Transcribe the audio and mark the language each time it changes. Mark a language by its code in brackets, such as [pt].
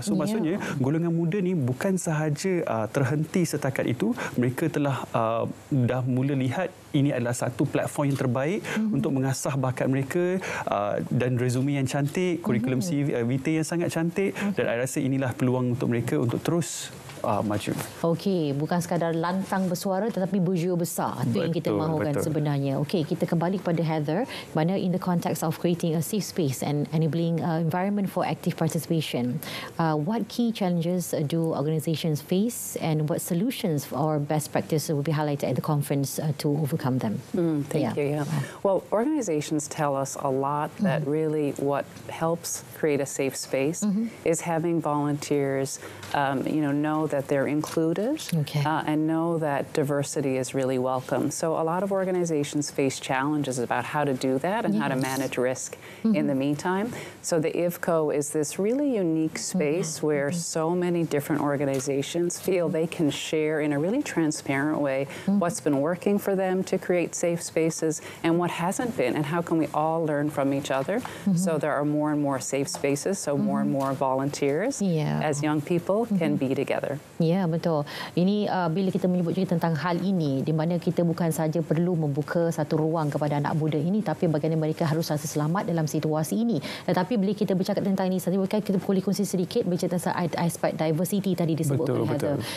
[ms] So maksudnya golongan muda ni bukan sahaja terhenti setakat itu, mereka telah dah mula lihat ini adalah satu platform yang terbaik untuk mengasah bakat mereka dan resume yang cantik, kurikulum CV vitae yang sangat cantik dan saya rasa inilah peluang untuk mereka untuk terus maju. Okey, bukan sekadar lantang bersuara tetapi berjaya besar. Itu yang kita mahukan sebenarnya. Okey, kita kembali kepada Heather. [en] Mana in the context of creating a safe space and enabling environment for active participation, what key challenges do organizations face and what solutions or best practices will be highlighted at the conference to overcome them? Thank you. Yeah. Well, organizations tell us a lot that really what helps create a safe space is having volunteers, know that they're included and know that diversity is really welcome. So a lot of organizations face challenges about how to do that and how to manage risk in the meantime. So the IVCO is this really unique space where so many different organizations feel they can share in a really transparent way what's been working for them to create safe spaces and what hasn't been, and how can we all learn from each other. So there are more and more safe spaces, so more and more volunteers as young people can be together. [ms] Ya, betul. Ini bila kita menyebut juga tentang hal ini, di mana kita bukan saja perlu membuka satu ruang kepada anak muda ini, tapi bagaimana mereka harus rasa selamat dalam situasi ini. Tetapi bila kita bercakap tentang ini, saya kita boleh kongsi sedikit bercakap tentang aspek diversity tadi disebutkan. Betul.